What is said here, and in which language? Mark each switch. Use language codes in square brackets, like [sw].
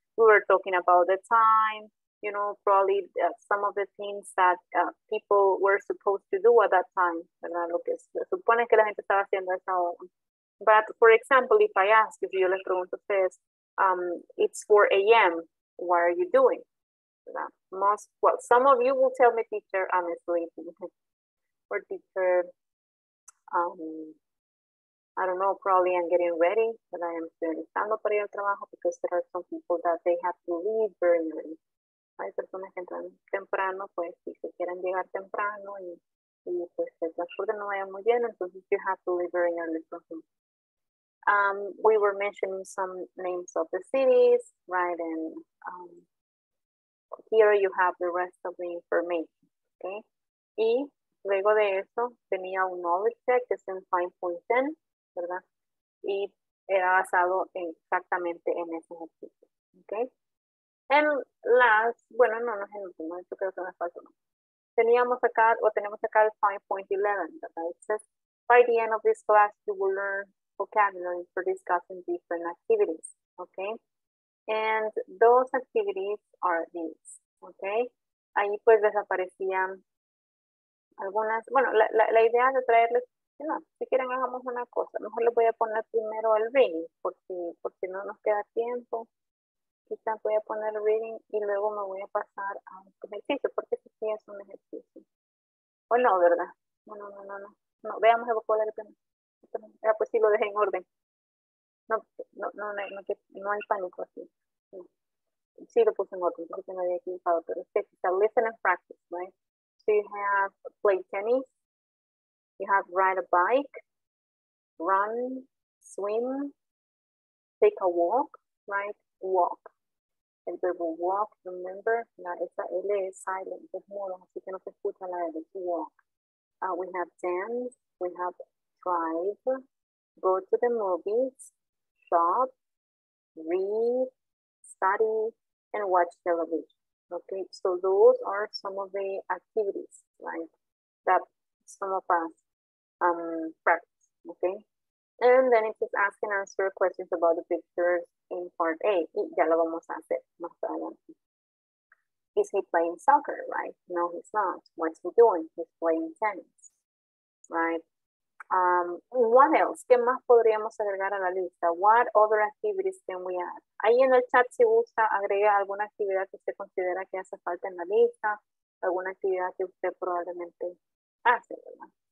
[en] We were talking about the time, you know, probably some of the things that people were supposed to do at that time, ¿verdad? [es] Lo que se supone que la gente estaba haciendo a esa hora. [en] But, for example, if I ask, if [es] yo les pregunto a ustedes, [en] it's 4 a.m., what are you doing? ¿Verdad? Some of you will tell me, teacher, I'm sleeping. Or teacher... I don't know, probably I'm getting ready, but I am [es] listando para ir al trabajo [en] because there are some people that they have to leave very early. [es] Hay personas que entran temprano, pues, y se quieren llegar temprano, y pues, el transporte no vaya muy bien, entonces [en] you have to leave very early. We were mentioning some names of the cities, right, and here you have the rest of the information, okay? [es] Y luego de eso, tenía un knowledge check, que es en 5.10, ¿verdad? Y era basado en, exactamente en ese ejercicio, okay? [en] And last, [es] bueno, no, no es el último, esto creo que me faltó. Teníamos acá, o tenemos acá el 5.11, ¿verdad? [en] It says, by the end of this class, you will learn vocabulary for discussing different activities, okay? And those activities are these, okay? [es] Ahí pues desaparecían algunas, bueno, la idea de traerles, no, si quieren hagamos una cosa, mejor les voy a poner primero el ring, porque no nos queda tiempo. Quizás voy a poner reading y luego me voy a pasar a un ejercicio, porque si sí es un ejercicio. O no, ¿verdad? No. No, veamos el vocabulario. Ah, pues sí, lo dejé en orden. No hay pánico así. Sí. Sí lo puse en orden, porque me había equivocado, pero es que si está [en] listen and practice, [es] ¿no? Right? [en] So you have play tennis, you have ride a bike, run, swim, take a walk, right? Walk. [es] El verbo walk, remember, esa L es silent, es mudo, así que no se escucha la L, walk. [en] We have dance, we have drive, go to the movies, shop, read, study, and watch television. Okay, so those are some of the activities, right, that some of us practice, okay? And then it's just ask and answer questions about the pictures in part A. [es] Y ya lo vamos a hacer más adelante. [en] Is he playing soccer, right? No, he's not. What's he doing? He's playing tennis, right? What else? [es] ¿Qué más podríamos agregar a la lista? [en] What other activities can we add? [es] Ahí en el chat, si gusta, agrega alguna actividad que usted considera que hace falta en la lista, alguna actividad que usted probablemente hace, ¿verdad?